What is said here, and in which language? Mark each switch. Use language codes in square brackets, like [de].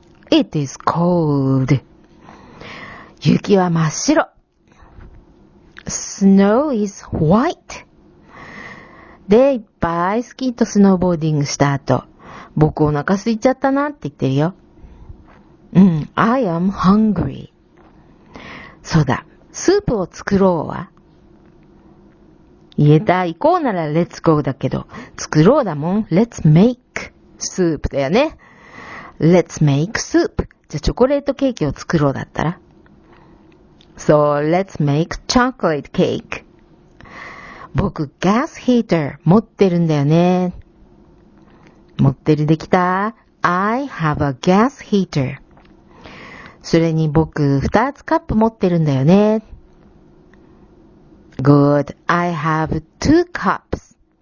[en] It is cold. [ja] 雪は真っ白。 [en] Snow is white. [ja] で、いっぱいスキーとスノーボーディングした後、僕お腹空いちゃったなって言ってるよ。 [en] うん、I am hungry. [ja] そうだ、スープを作ろうは。言えた、行こうなら [en] Let's go [ja] だけど、作ろうだもん。 [en] Let's make soup [ja] だよね。 [en] Let's make soup. [ja] じゃあチョコレートケーキを作ろうだったら。 [en] So, let's make chocolate cake. [ja] 僕、ガスヒーター持ってるんだよね。持ってるできた。 [en] I have a gas heater. [ja] それに僕、2つカップ持ってるんだよね。 [en] Good. I have 2 cups.